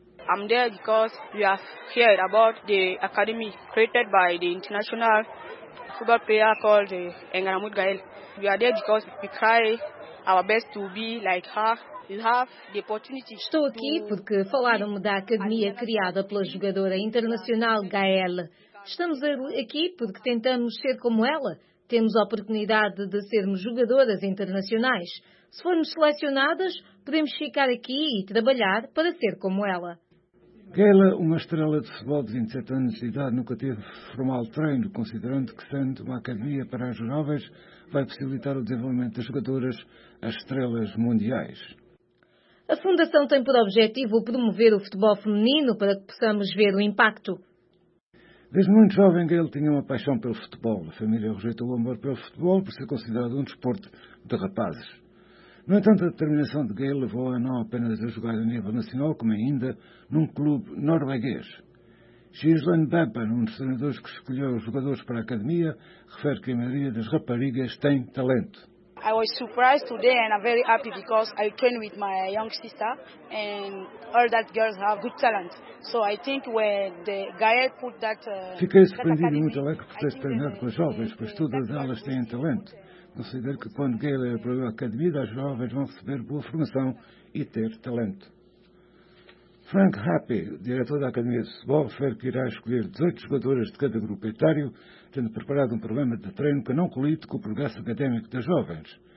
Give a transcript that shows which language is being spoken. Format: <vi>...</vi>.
<en>I'm there because we are here about the academy created by the international football player called Engaramut Gael. We are there because we try our best to be like her.</en> <pt>Estou aqui porque falaram-me da academia criada pela jogadora internacional Gael. Estamos aqui porque tentamos ser como ela. Temos a oportunidade de sermos jogadoras internacionais. Se formos selecionadas, podemos ficar aqui e trabalhar para ser como ela. Gaela, uma estrela de futebol de 27 anos de idade, nunca teve formal treino, considerando que, sendo uma academia para as jovens, vai possibilitar o desenvolvimento das jogadoras às estrelas mundiais. A Fundação tem por objetivo promover o futebol feminino para que possamos ver o impacto. Desde muito jovem, Gaela tinha uma paixão pelo futebol. A família rejeitou o amor pelo futebol por ser considerado um desporto de rapazes. No entanto, a determinação de Gaela levou-a não apenas a jogar a nível nacional, como ainda num clube norueguês. Gislen Beppen, um dos treinadores que escolheu os jogadores para a academia, refere que a maioria das raparigas tem talento.</pt> <en>I was surprised today and I'm very happy because I train with my young sister and all that girls have good talent. So I think when the guy put that</en> <pt>fiquei surpreendido e muito alegre por ter treinado com as jovens, pois todas elas têm talento. Considero que quando Gaela abriu a academia, as jovens vão receber boa formação e ter talento. Frank Happy, diretor da Academia de Futebol, refere que irá escolher 18 jogadoras de cada grupo etário, tendo preparado um programa de treino que não colide com o progresso académico das jovens.</pt>